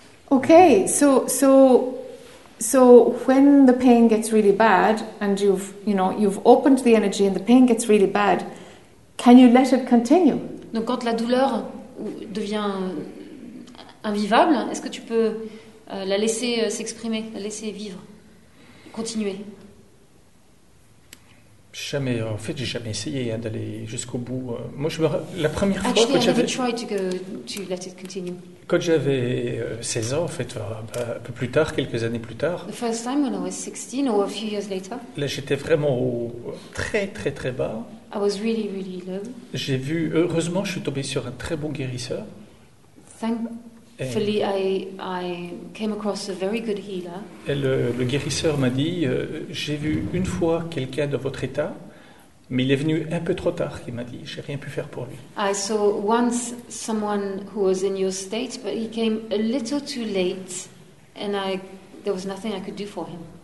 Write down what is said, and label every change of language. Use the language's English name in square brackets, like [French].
[English] Okay, so when the pain gets really bad and you've opened the energy and the pain gets really bad, can you let it continue? [French] Donc quand la douleur devient invivable, est-ce que tu peux la laisser s'exprimer, la laisser vivre, continuer? Jamais, en fait, j'ai jamais essayé d'aller jusqu'au bout. Moi, la première fois [English] Actually, [French] que j'avais... [English] Actually, I never tried to let it continue. [French] Quand j'avais 16 ans, en fait, un peu plus tard, quelques années plus tard... [English] The first time when I was 16, or a few years later... [French] Là, j'étais vraiment très, très, très bas. [English] I was really, really low. [French] J'ai vu... Heureusement, je suis tombé sur un très bon guérisseur. [English] Thankfully, I came across a very good healer. [French] Et le guérisseur m'a dit, j'ai vu une fois quelqu'un de votre état, mais il est venu un peu trop tard. Il m'a dit, j'ai rien pu faire pour lui. [English] I saw once someone who was in your state, but he came a little too late, and there was nothing I could do for him.